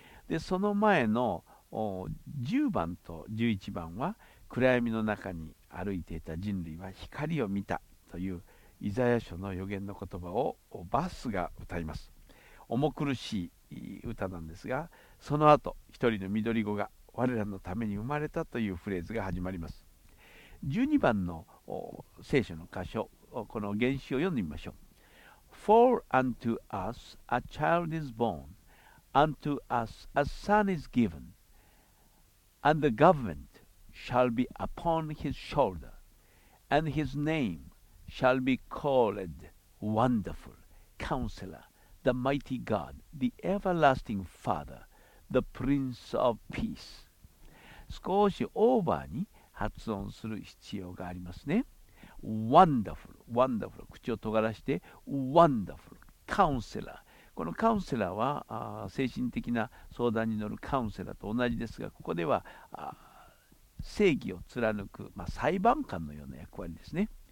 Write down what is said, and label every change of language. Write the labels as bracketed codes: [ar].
[ja] でその前の10番と11番は暗闇の中に歩いていた人類は光を見たというイザヤ書の予言の言葉をバスが歌います。重苦しい歌なんですが、その後一人の緑子が我らのために生まれたというフレーズが始まります。 12番の聖書の箇所、この原詩を読んでみましょう。 [en] For unto us a child is born, unto us a son is given, and the government shall be upon his shoulder, and his name shall be called Wonderful Counselor, the Mighty God, the Everlasting Father, the Prince of Peace。 [ja] 少しオーバーに発音する必要がありますね。 [en] Wonderful、 Wonderful、 [ja] 口を尖らして [en] Wonderful Counselor。 [ja] このカウンセラーは精神的な相談に乗るカウンセラーと同じですが、ここでは正義を貫く、裁判官のような役割ですね。